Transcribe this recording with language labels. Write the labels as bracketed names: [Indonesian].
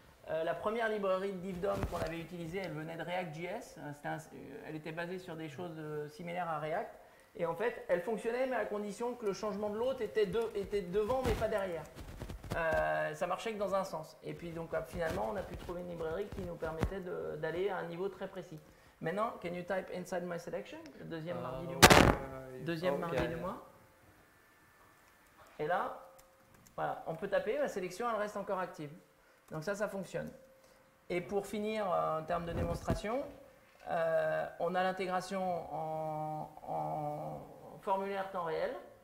[French] La première librairie de DivDom qu'on avait utilisée, elle venait de React.js. Elle était basée sur des choses similaires à React. Et en fait, elle fonctionnait, mais à condition que le changement de l'hôte était devant, mais pas derrière. Ça marchait que dans un sens. Et puis donc finalement, on a pu trouver une librairie qui nous permettait d'aller à un niveau très précis. [English] Maintenant, can you type inside my selection? [French] Le deuxième mardi du mois. Deuxième mardi du mois. Et là, voilà, on peut taper, la sélection elle reste encore active. Donc ça, ça fonctionne. Et pour finir, en termes de démonstration, on a l'intégration en formulaire temps réel.